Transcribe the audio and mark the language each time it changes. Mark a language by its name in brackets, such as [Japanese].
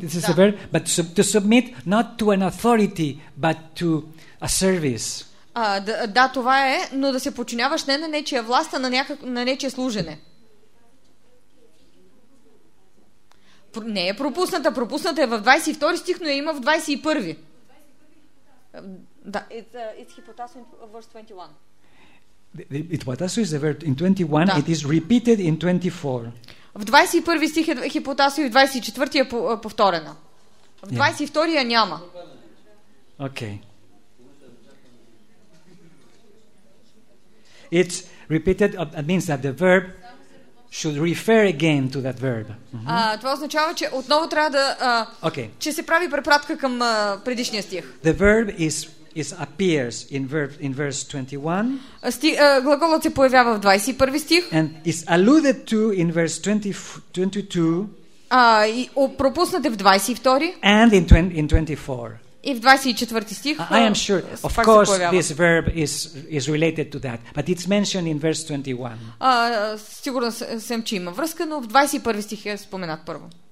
[English] This is a verb, but to submit not to an authority, but to a service. [Bulgarian] Да, това е, но да се подчиняваш не на нечия власт, а на, някак, на нечия служене. Не е пропусната. Пропусната е в 22 стих, но я има в 21. Да. [English] It's hypotasso in verse 21. Hypotasso is the word in 21, да. It is repeated in 24. [Bulgarian] В 21 стих е хипотасо и в 24 е повторена. В 22 я няма. Окей. Okay. [English] It's repeated, it means that the verb should refer again to that verb. Mm-hmm. [Bulgarian] Това означава, че отново трябва да okay. Че се прави препратка към предишния стих. [English] The verb is appears in verb in verse 21. [Bulgarian] Глаголът се появява в 21 стих. [English] And is alluded to in verse 22. [Bulgarian] Пропуснат е в 22. [English] And in 24. [Bulgarian] И в 24 стих. [English] I am sure. Of course this verb is related to that, but it's mentioned in verse 21. [Bulgarian] Сигурно съм, че има връзка, но в 21 стих е споменат първо.